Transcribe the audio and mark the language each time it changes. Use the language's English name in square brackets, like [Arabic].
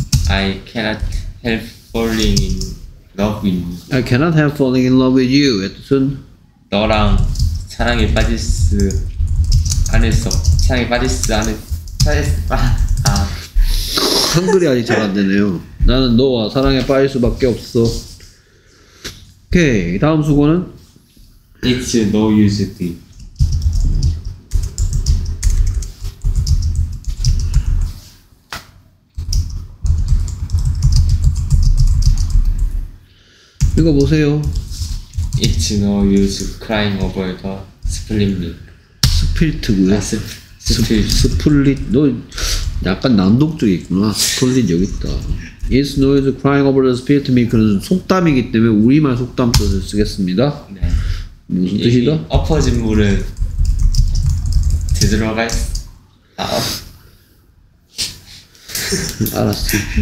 [English] I cannot help falling in love with you. I cannot help falling in love with you. [Korean] 뜻은? 너랑 사랑에 빠질 수 안했어. 사랑에 빠질 수 안했어. 아. 한글이 아직 잘 안 되네요. 나는 너와 사랑에 빠질 수밖에 없어. 오케이. 다음 수고는? [English] It's no use to. [Korean] 이거 보세요. [English] It's no use crying over the split lip. [Korean] 스플릿고요. 아, 스플릿. 너 약간 난독적이 있구나. 스플릿 여기 있다. [English] It's no use crying over the split lip. [Korean] 그는 속담이기 때문에 우리말 속담 뜻을 쓰겠습니다. 네. 무슨 뜻이다? 엎어진 물은 되돌아갈 수. 아. 알았어.